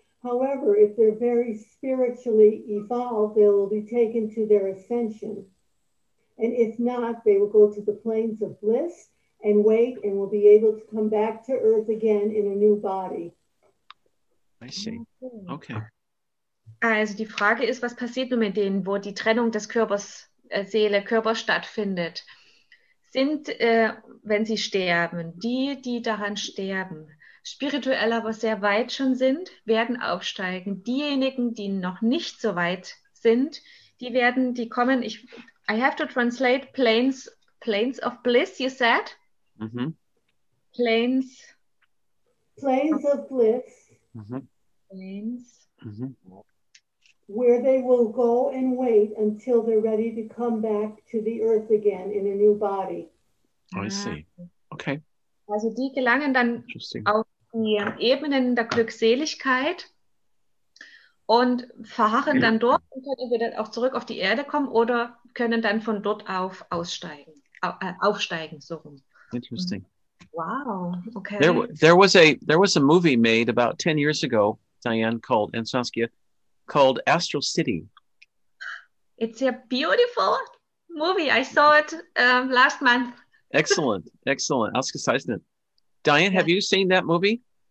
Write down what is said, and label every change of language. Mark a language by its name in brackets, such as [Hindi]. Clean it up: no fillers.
[English] However, if they're very spiritually evolved, they will be taken to their ascension. And if not, they will go to the planes of bliss and wait and will be able to come back to Earth again in a new body. I see. Okay. [German] Also die Frage ist, was passiert nun mit denen, wo die Trennung des Körpers, Seele, Körper stattfindet? Sind, wenn sie sterben, die daran sterben, spirituell aber sehr weit schon sind, werden aufsteigen. Diejenigen, die noch nicht so weit sind, die kommen, [English] I have to translate planes of bliss, you said? Mm-hmm. Planes of bliss. Mm-hmm. Planes. Mm-hmm. Where they will go and wait until they're ready to come back to the earth again in a new body. Oh, I see. Okay. [German] Also die gelangen dann auf die Ebenen der Glückseligkeit und verharren dann dort und können wir dann auch zurück auf die Erde kommen oder können dann von dort auf aufsteigen, so rum. [English] Interesting. Wow. Okay. There was a movie made about 10 years ago, Diane, called, and Saskia, called Astral City. It's a beautiful movie. I saw it last month. Excellent. Excellent. Excellent. Diane, have you seen that movie?